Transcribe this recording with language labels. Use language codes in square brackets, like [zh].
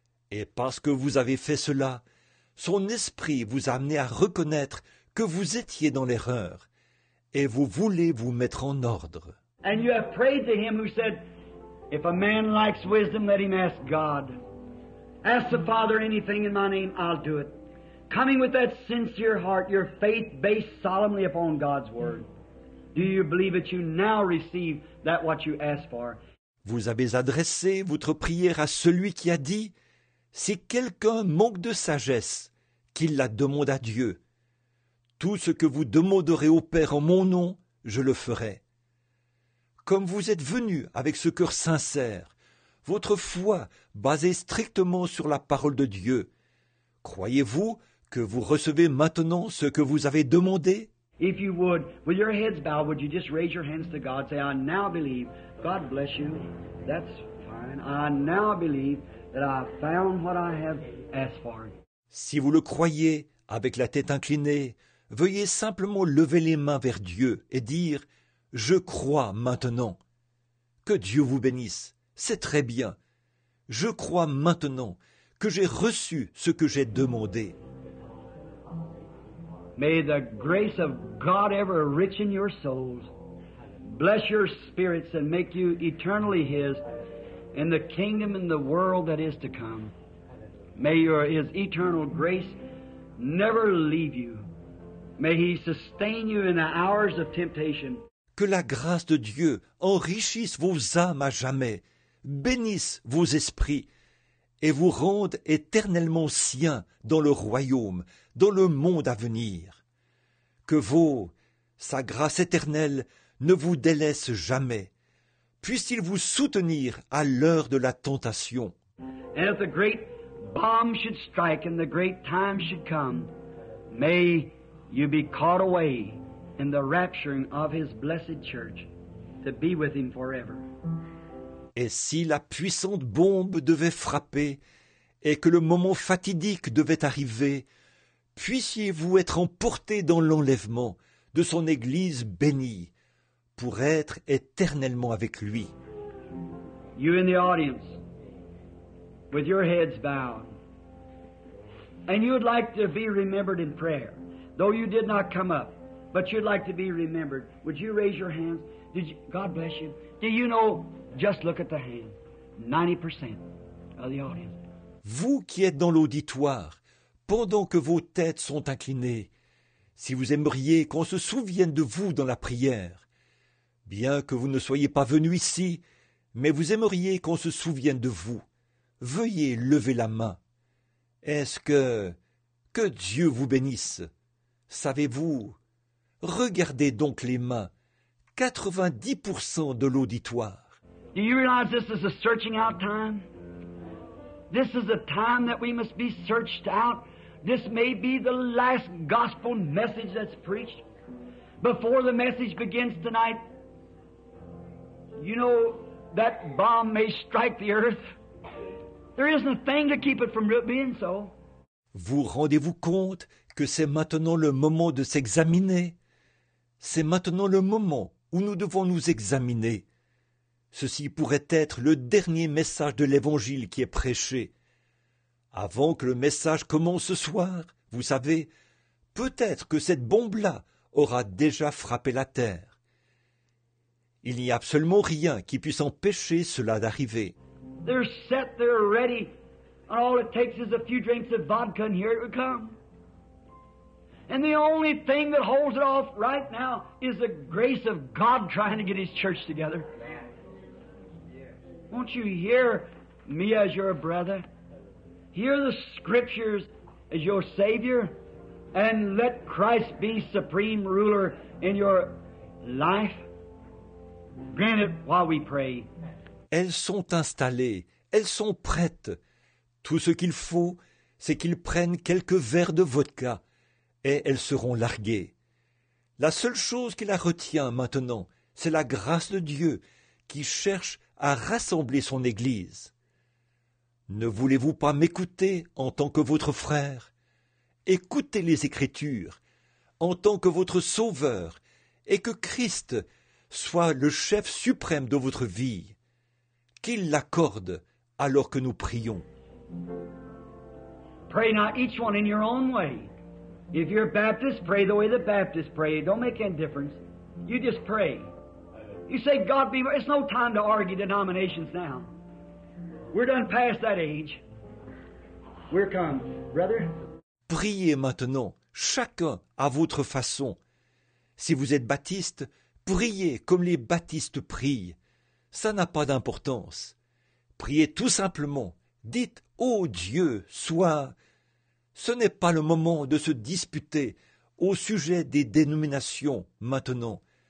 [fr] Et parce que vous avez fait cela, son esprit vous a amené à reconnaître que vous étiez dans l'erreur et vous voulez vous mettre en ordre. [en] And you have prayed to him who said, if a man likes wisdom, let him ask God. Ask the Father anything in my name, I'll do it. Coming with that sincere heart, your faith based solemnly upon God's word. Do you believe that you now receive that what you ask for? [fr] Vous avez adressé votre prière à celui qui a dit, si quelqu'un manque de sagesse, qu'il la demande à Dieu. Tout ce que vous demanderez au Père en mon nom, je le ferai. Comme vous êtes venu avec ce cœur sincère, votre foi basée strictement sur la parole de Dieu, croyez-vous que vous recevez maintenant ce que vous avez demandé? [en] If you would, with your heads bowed, would you just raise your hands to God, say, I now believe, God bless you, that's fine, I now believe that I found what I have asked for. [fr] Si vous le croyez, avec la tête inclinée, veuillez simplement lever les mains vers Dieu et dire, je crois maintenant. Que Dieu vous bénisse, c'est très bien. Je crois maintenant que j'ai reçu ce que j'ai demandé. [en] May the grace of God ever rich in your souls, bless your spirits and make you eternally His in the kingdom and the world that is to come. May His eternal grace never leave you. May He sustain you in the hours of temptation. [fr] Que la grâce de Dieu enrichisse vos âmes à jamais, bénisse vos esprits et vous rende éternellement siens dans le royaume, dans le monde à venir. Que sa grâce éternelle ne vous délaisse jamais. Puisse-t-il vous soutenir à l'heure de la tentation. [en] And if the great bomb should strike and the great time should come, may you be caught away in the rapturing of His blessed church to be with Him forever. [fr] Et si la puissante bombe devait frapper et que le moment fatidique devait arriver, puissiez-vous être emporté dans l'enlèvement de son Église bénie pour être éternellement avec lui. [en] You in the audience, with your heads bowed, and you would like to be remembered in prayer, though you did not come up, but you'd like to be remembered. Would you raise your hands? Did you, God bless you. Do you know, just look at the hand, 90% of the audience. [fr] Vous qui êtes dans l'auditoire, pendant que vos têtes sont inclinées, si vous aimeriez qu'on se souvienne de vous dans la prière, bien que vous ne soyez pas venu ici, mais vous aimeriez qu'on se souvienne de vous, veuillez lever la main. Est-ce que Dieu vous bénisse? Savez-vous, regardez donc les mains, 90% de l'auditoire. [en] Do you realize this is a searching out time? This is a time that we must be searched out. This may be the last gospel message that's preached before the message begins tonight. You know, that bomb may strike the earth. There isn't a thing to keep it from being so. [fr] Vous rendez-vous compte que c'est maintenant le moment de s'examiner? C'est maintenant le moment où nous devons nous examiner. Ceci pourrait être le dernier message de l'Évangile qui est prêché. Avant que le message commence ce soir, vous savez, peut-être que cette bombe-là aura déjà frappé la terre. Il n'y a absolument rien qui puisse empêcher cela d'arriver. [en] They're set, they're ready. All it takes is a few drinks of vodka and here it will come. And the only thing that holds it off right now is the grace of God trying to get His church together. Won't you hear me as your brother? Hear the Scriptures as your Savior, and let Christ be supreme ruler in your life. Grant it while we pray. [fr] Elles sont installées, elles sont prêtes. Tout ce qu'il faut, c'est qu'ils prennent quelques verres de vodka et elles seront larguées. La seule chose qui la retient maintenant, c'est la grâce de Dieu qui cherche à rassembler son Église. Ne voulez-vous pas m'écouter en tant que votre frère? Écoutez les Écritures en tant que votre Sauveur et que Christ soit le chef suprême de votre vie. Qu'il l'accorde alors que nous prions. [en] Pray now each one in your own way. If you're Baptist, pray the way the Baptists pray. Don't make any difference. You just pray. You say, God be... It's no time to argue denominations now. We're done past that age. We're come, brother. [fr] Priez maintenant, chacun à votre façon. Si vous êtes baptiste, priez comme les baptistes prient. Ça n'a pas d'importance. Priez tout simplement. Dites, ô Dieu, sois... Ce n'est pas le moment de se disputer au sujet des dénominations maintenant.